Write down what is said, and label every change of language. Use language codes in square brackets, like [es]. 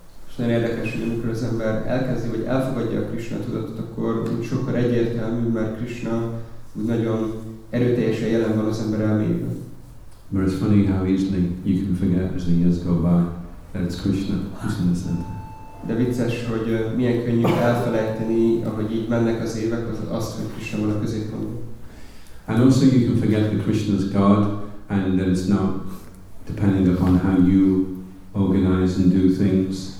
[hu] És nagyon érdekes, hogy amikor az ember elkezdi vagy elfogadja a Krishna tudatot, akkor úgy sokkal egyértelmű, mert Krishna úgy nagyon erőteljesen jelen van az ember elmében. [en] But it's funny how easily you can forget as the years go by that it's Krishna who's in the center. [hu] De vicces, hogy milyen könnyű elfelejteni, ahogy így mennek az évek, azt, hogy Krishna van a középpontban. [en] And also you can forget that Krishna is God and that it's not depending upon how you organize and do things.